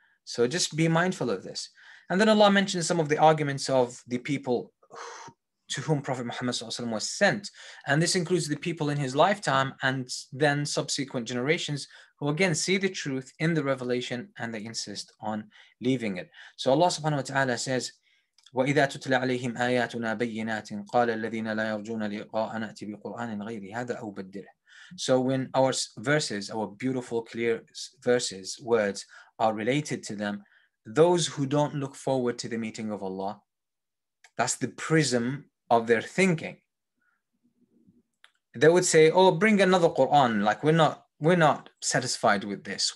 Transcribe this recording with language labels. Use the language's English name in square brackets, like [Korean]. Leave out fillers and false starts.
[English] So just be mindful of this. And then Allah mentions some of the arguments of the people to whom Prophet Muhammad was sent. And this includes the people in his lifetime and then subsequent generations, who again see the truth in the revelation and they insist on leaving it. So Allah subhanahu wa ta'ala says, [Arabic] وَإِذَا تُتْلَى عَلَيْهِمْ آيَاتُنَا بَيِّنَاتٍ قَالَ الَّذِينَ لَا يَرْجُونَ لِقَاءَنَا أَتِ بِقُرْآنٍ غَيْرِ هَذَا أَوْ بَدِّلْهُ. [English] So when our verses, our beautiful, clear verses, words are related to them, those who don't look forward to the meeting of Allah, that's the prism of their thinking. They would say, "Oh, bring another Quran. Like we're not satisfied with this.